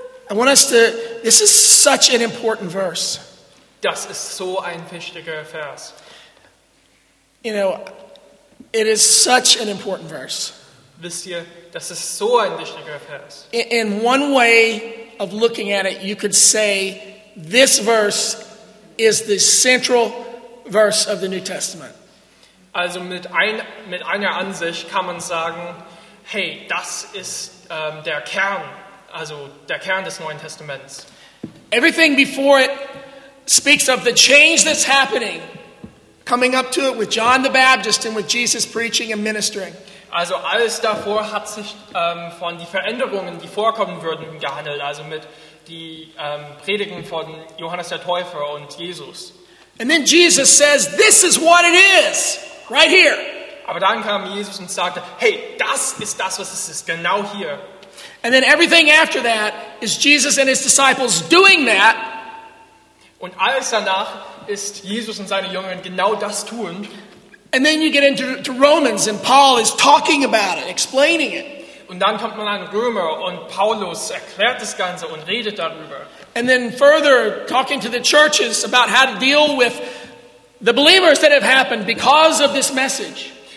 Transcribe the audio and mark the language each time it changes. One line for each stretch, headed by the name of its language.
English: I want us to, this is such an important verse.
German: Das ist so ein wichtiger Vers.
English: You know, it is such an important verse.
German: Wisst ihr, das ist so ein wichtiger Vers.
English: In one way of looking at it, you could say this verse is the central verse of the New Testament.
German: Also mit einer Ansicht kann man sagen, hey, das ist der Kern, also der Kern des Neuen Testaments.
English: Everything before it speaks of the change that's happening, coming up to it with John the Baptist and with Jesus preaching and ministering.
German: Also alles davor hat sich von den Veränderungen, die vorkommen würden, gehandelt, also mit den Predigen von Johannes der Täufer und Jesus.
English: And then Jesus says, this is what it is, right here.
German: Aber dann kam Jesus und sagte, hey, das ist das, was es ist, genau hier.
English: And then everything after that is Jesus and his disciples doing that.
German: Und alles danach ist Jesus und seine Jünger genau das tun.
English: And then you get into Romans and Paul is talking about it, explaining it.
German: Und dann kommt man an Römer und Paulus erklärt das Ganze und redet darüber.
English: And then further talking to the churches about how to deal with the believers that have happened because of this message.